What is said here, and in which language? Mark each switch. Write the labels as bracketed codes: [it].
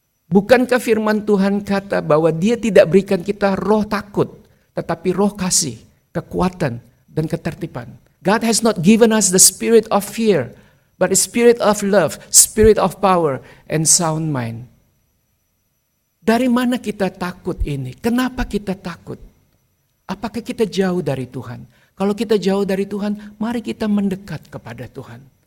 [id] Bukankah firman Tuhan kata bahwa dia tidak berikan kita roh takut, tetapi roh kasih kekuatan dan ketertiban. [en] God has not given us the spirit of fear, but a spirit of love, spirit of power, and sound mind. [id] Dari mana kita takut ini? Kenapa kita takut? Apakah kita jauh dari Tuhan? Kalau kita jauh dari Tuhan, mari kita mendekat kepada Tuhan.